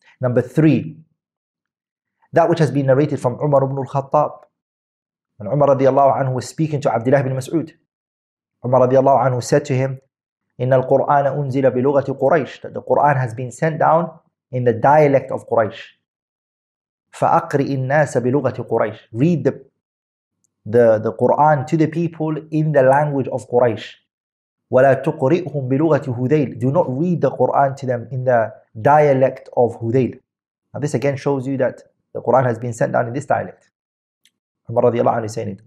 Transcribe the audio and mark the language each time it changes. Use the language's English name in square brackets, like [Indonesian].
[English] Number three, that which has been narrated from Umar ibn al-Khattab, when Umar radiallahu anhu was speaking to Abdullah ibn Mas'ud, Umar radiallahu anhu said to him, [Arabic] "Inna al-Qur'an unzila bi lughati Quraysh," [English] that the Qur'an has been sent down in the dialect of Quraysh. [Arabic] فَأَقْرِئِ النَّاسَ بِلُغَةِ Quraysh. [English] Read the Qur'an to the people in the language of Quraysh. [Arabic] وَلَا تُقْرِئْهُمْ بِلُغَةِ هُذَيْلِ. [English] Do not read the Qur'an to them in the dialect of Hudayl. Now this again shows you that the Qur'an has been sent down in this dialect. Umar radiallahu anhu is saying it.